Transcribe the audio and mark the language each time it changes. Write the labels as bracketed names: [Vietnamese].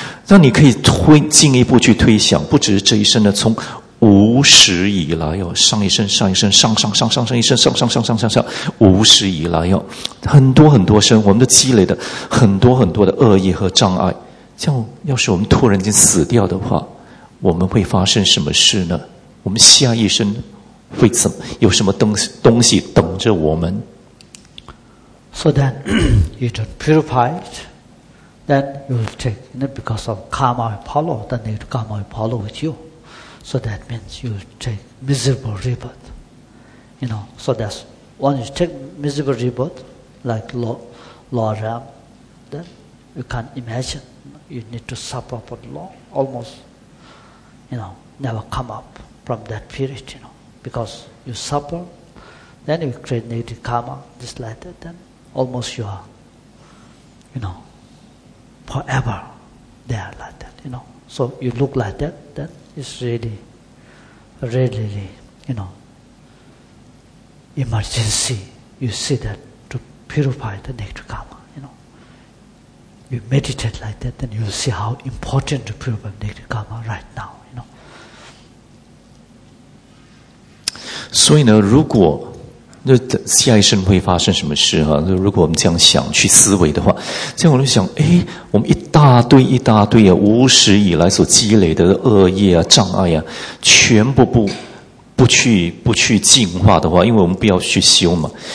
[Chinese] 那你可以进一步去推想，不只是这一生呢，从无始以来哦，上一生上一生上上上上上一生上上上上上上无始以来哦，很多很多生我们都积累的很多很多的恶业和障碍，这样要是我们突然间死掉的话，我们会发生什么事呢？我们下一生会怎么有什么东西等着我们？ [English] So then you don't purify it, then you will take, you know, because of karma and palo, then you have karma and palo with you. So that means you will take miserable rebirth. You know, so that's when you take miserable rebirth, like Lord Ram, then you can't imagine. You need to suffer for long, almost, you know, never come up from that period, you know. Because you suffer, then you create negative karma, just like that, then almost you are, you know, forever there like that, you know. So you look like that, then it's really, really, you know, emergency. You see that to purify the negative karma. You meditate like that, then you'll see how important the problem negative karma right now, you know. [Chinese] 所以呢，如果那下一生会发生什么事哈、啊？如果我们这样想去思维的话，这样我就想，哎，我们一大堆一大堆啊，无始以来所积累的恶业啊、障碍啊，全部不去净化的话，因为我们不要去修嘛。